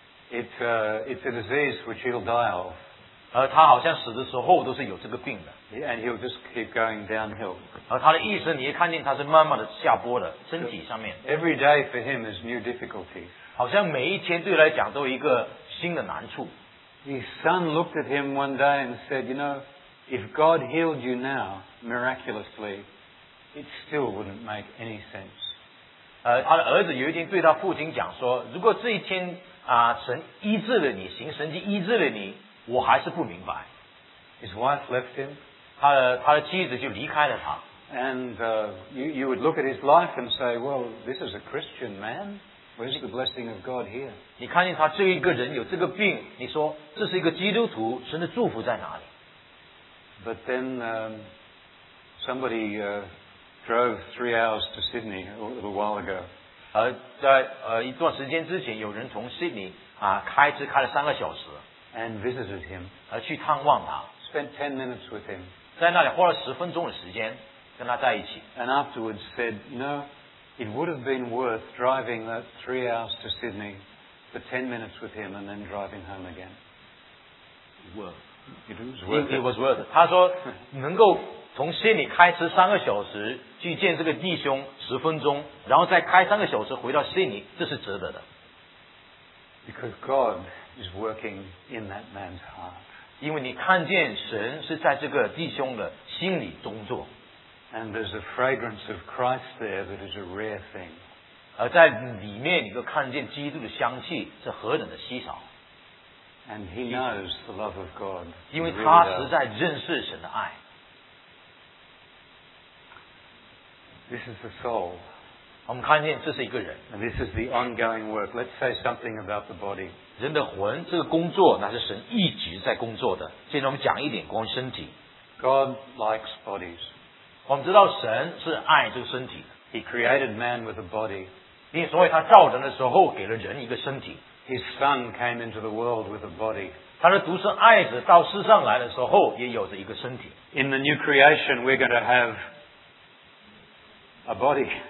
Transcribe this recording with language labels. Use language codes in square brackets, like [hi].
[en] It's a disease which he'll die of. [zh] 而他好像死的时候都是有这个病的。 [en] And he'll just keep going downhill. [zh] 而他的一生，你一看见他是慢慢的下坡的，身体上面。 [en] Every day for him is new difficulties. [zh] 好像每一天对来讲都有一个新的难处。 [en] His son looked at him one day and said, "You know, if God healed you now miraculously, it still wouldn't make any sense." [zh] 他的儿子有一天对他父亲讲说，如果这一天神医治了你，行神迹医治了你。我还是不明白。 [en] His wife left him. [zh] 他的妻子就离开了他。 [en] And you would look at his life and say, well, this is a Christian man. Where's the blessing of God here? [zh] 你看见他这一个人有这个病，你说这是一个基督徒，神的祝福在哪里？ [en] But then somebody drove 3 hours to Sydney a little while ago. [zh] 在一段时间之前，有人从 Sydney 开了3个小时。 [en] And visited him. [zh] 而去探望他。 [en] Spent 10 minutes with him. [zh] 在那里花了10分钟的时间跟他在一起。 [en] And afterwards said, you know, it would have been worth driving that 3 hours to Sydney for 10 minutes with him and then driving home again. It was worth it. [zh] 他说能够从悉尼开车3个小时去见这个弟兄10分钟，然后再开3个小时回到悉尼，这是值得的。 [en] Because God is working in that man's heart. [zh] 因为你看见神是在这个弟兄的心里工作。 [en] And there's a fragrance of Christ there that is a rare thing. [zh] 而在里面你就看见基督的香气是何等的稀少。 [en] And he knows the love of God. [zh] 因为他实在认识神的爱。 [en] This is the soul. [zh] 我们看见这是一个人。 [en] And this is the ongoing work. Let's say something about the body. [zh] 人的魂这个工作那是神一直在工作的。现在我们讲一点关于身体。 [en] God likes bodies. [zh] 我们知道神是爱这个身体的。 [en] He created man with a body. [zh] 所以他造人的时候给了人一个身体。 [en] His son came into the world with a body. [zh] 他的独生爱子到世上来的时候也有着一个身体。 [en] In the new creation, we're going to have a body.